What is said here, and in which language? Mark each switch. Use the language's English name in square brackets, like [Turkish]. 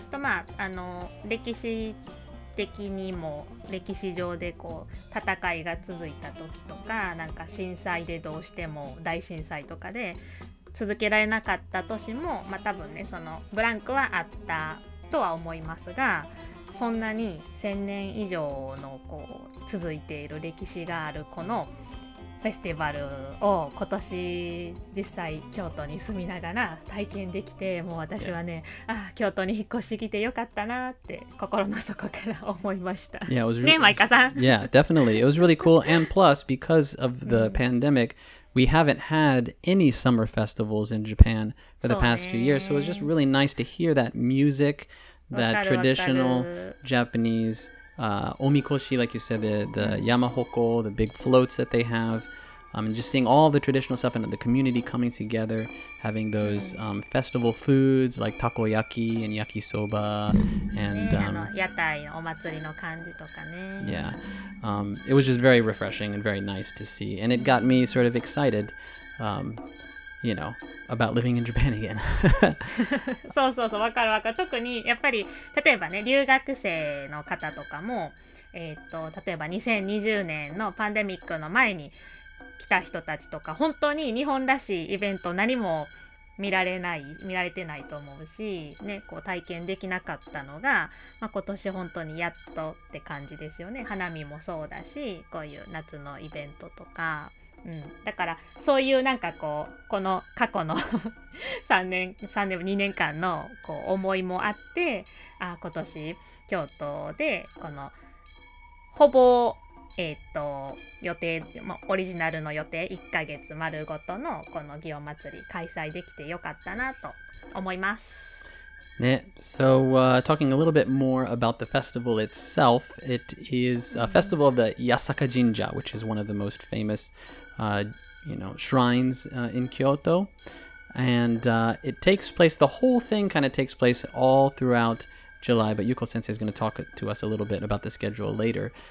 [Japanese] と、まあ、あの歴史的にも歴史上でこう戦いが続いた時とか、なんか震災でどうしても大震災とかで続けられなかった年も、まあ、多分ねそのブランクはあったとは思いますが、そんなに1000年以上のこう続いている歴史があるこのフェスティバルを今年実際京都に住みながら体験できて、もう私はね、ああ京都に引っ越してきてよかったなって心の底から思いました。 [English] Yeah, it was [Japanese] ね、マイカさん。 [English] Yeah, definitely. It was really cool. And plus, because of the pandemic, we haven't had any summer festivals in Japan for the past 2 years. So it was just really nice to hear that music, that traditional Japanese... omikoshi, like you said, the yamahoko, the big floats that they have, and just seeing all the traditional stuff and the community coming together, having those festival foods like takoyaki and yakisoba, and [Japanese] yatai, o matsuri no kanji to ka ne. [English] Yeah, it was just very refreshing and very nice to see, and it got me sort of excited, you know, about living in Japan again. [Japanese] そうそうそう、わかるわかる。特にやっぱり例えばね、留学生の方とかも、例えば2020年のパンデミックの前に来た人たちとか、本当に日本らしいイベント何も見られない、見られてないと思うし、ね、こう体験できなかったのが、まあ、今年本当にやっとって感じですよね。花見もそうだし、こういう夏のイベントとか、うん、だからそういうなんかこうこの過去の3年2年間のこう思いもあって、あ今年京都でこのほぼ予定、まあ、オリジナルの予定1ヶ月丸ごとのこの祇園祭開催できてよかったなと思いますね。 [English] So talking a little bit more about the festival itself, it is a festival of the Yasaka Jinja, which is one of the most famousshrines in Kyoto, and it takes place, the whole thing kind of takes place all throughout July, but Yuko-sensei is going to talk to us a little bit about the schedule later.